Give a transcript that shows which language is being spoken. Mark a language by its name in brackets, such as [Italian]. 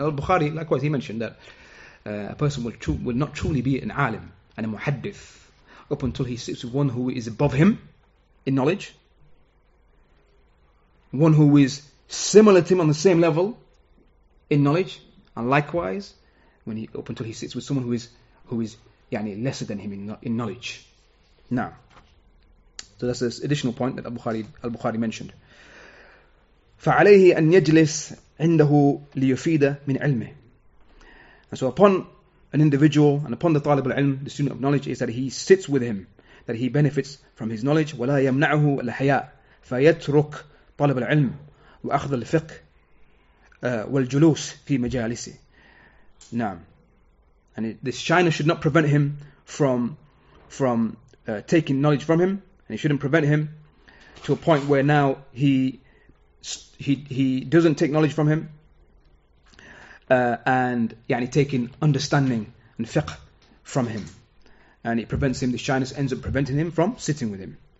[English] Al-Bukhari, likewise, he mentioned that a person will not truly be an alim and a muhaddith up until he sits with one who is above him in knowledge, one who is similar to him on the same level in knowledge, and likewise, up until he sits with someone who is yani lesser than him in knowledge. Now, so that's this additional point that Al-Bukhari mentioned. [Arabic] فعليه أن يجلس عنده ليفيد من علمه. [English] And so upon an individual and upon the [Arabic] طالب العلم, [English] the student of knowledge, is that he sits with him, that he benefits from his knowledge. [Arabic] ولا يمنعه الحياء فيترك طالب العلم وأخذ الفقه والجلوس في مجالسه. نعم. [English] And this shyness should not prevent him from taking knowledge from him, and it shouldn't prevent him to a point where now he doesn't take knowledge from him, and yani taking understanding and fiqh from him, and it prevents him. The shyness ends up preventing him from sitting with him.